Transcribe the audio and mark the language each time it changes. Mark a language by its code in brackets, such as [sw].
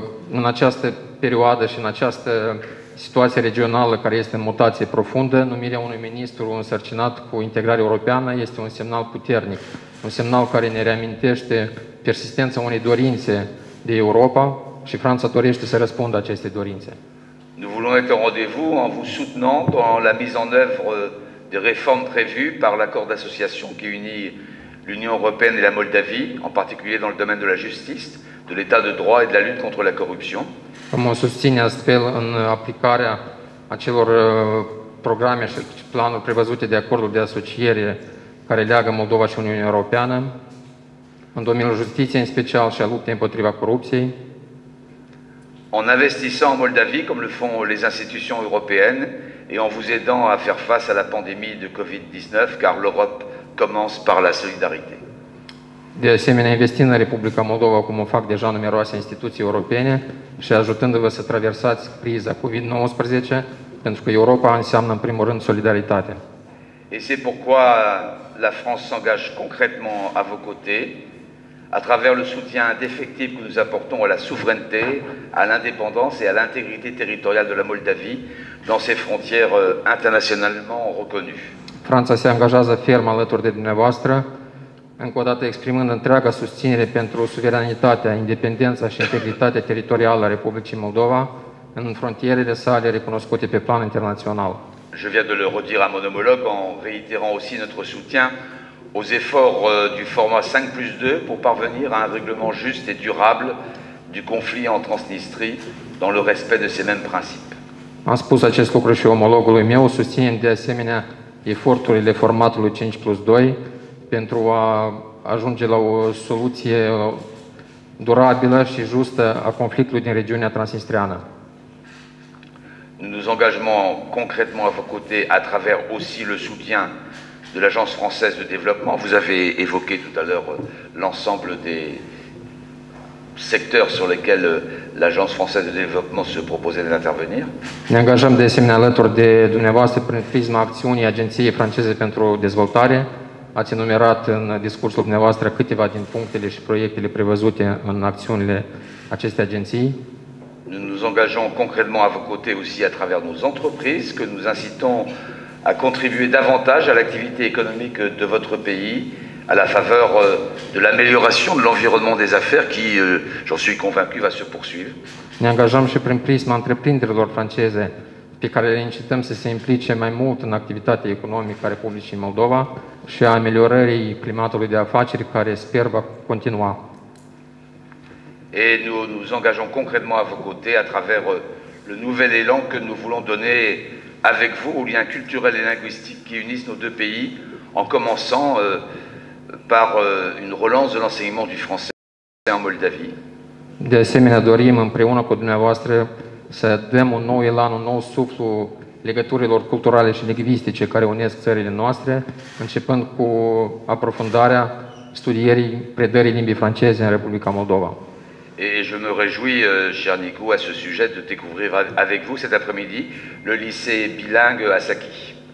[ro] În această perioadă și în această situație regională care este în mutație profundă, numirea unui ministru însărcinat cu integrarea europeană este un semnal puternic, un semnal care ne reamintește persistența unei dorințe de Europa și Franța dorește să răspundă aceste dorințe. [fr] Nous voulons être au rendez-vous en vous soutenant dans la mise en œuvre des réformes prévues par l'accord d'association qui unit l'Union européenne et la Moldavie, en particulier dans le domaine de la justice, de l'état de droit et de la lutte contre la corruption. [ro] Vom susține astfel în aplicarea acelor programe și planuri prevăzute de acordul de asociere care leagă Moldova și Uniunea Europeană, în domeniul justiției în special și a luptei împotriva corupției. [fr] En investissant en Moldavie, comme le font les institutions européennes, et en vous aidant à faire face à la pandémie de COVID-19, car l'Europe commence par la solidarité. [ro] De asemenea, investind în Republica Moldova, cum o fac deja numeroase instituții europene și ajutându-vă să traversați criza COVID-19, pentru că Europa înseamnă, în primul rând, solidaritate. [fr] Et c'est pourquoi la France s'engage concrètement à vos côtés, à travers le soutien indéfectible que nous apportons à la souveraineté, à l'indépendance et à l'intégrité territoriale de la Moldavie dans ses frontières internationalement reconnues. [ro] Franța se angajează ferm alături de dumneavoastră, încă o dată exprimând întreaga susținere pentru suveranitatea, independența și integritatea teritorială a Republicii Moldova în frontierele sale recunoscute pe plan internațional. [fr] Je viens de le redire à mon homologue en réitérant aussi notre soutien aux efforts du format 5+2 pour parvenir à un règlement juste et durable du conflit en Transnistrie dans le respect de ces mêmes principes. [ro] Am spus acest lucru și omologului meu, susținem de asemenea eforturile formatului 5+2 pentru a ajunge la o soluție durabilă și justă a conflictului din regiunea transnistreană. [fr] Nous nous engageons concrètement à vos côtés à travers aussi le soutien de l'Agence française de développement. Vous avez évoqué tout à l'heure l'ensemble des secteurs sur lesquels l'Agence française de développement se proposait d'intervenir. [ro] Ne engageons de asemenea alături de dumneavoastră prin prisma acțiunii Agenției franceze pentru dezvoltare. Ați enumerat în discursul dumneavoastră câteva din punctele și proiectele prevăzute în acțiunile acestei agenții. [fr] Nous nous engageons concrètement à vos côtés aussi à travers nos entreprises que nous incitons à contribuer davantage à l'activité économique de votre pays à la faveur de l'amélioration de l'environnement des affaires qui, j'en suis convaincu, va se poursuivre. [ro] Ne angajăm și prin prisma întreprinderilor franceze pe care le incităm să se implice mai mult în activitatea economică a Republicii Moldova și a ameliorării climatului de afaceri care sper va continua. [fr] Et nous nous engageons concrètement à vos côtés à travers le nouvel élan que nous voulons donner avec vous aux liens culturels et linguistiques qui unissent nos deux pays, en commençant par une relance de l'enseignement du français en Moldavie. [ro] De asemenea, dorim împreună cu dumneavoastră să dăm un nou elan, un nou suflu legăturilor culturale și lingvistice care unesc țările noastre, începând cu aprofundarea studierii predării limbii franceze în Republica Moldova. [fr] Et je me réjouis, cher Nico, à ce sujet de découvrir avec vous cet après-midi le lycée bilingue à Sachi.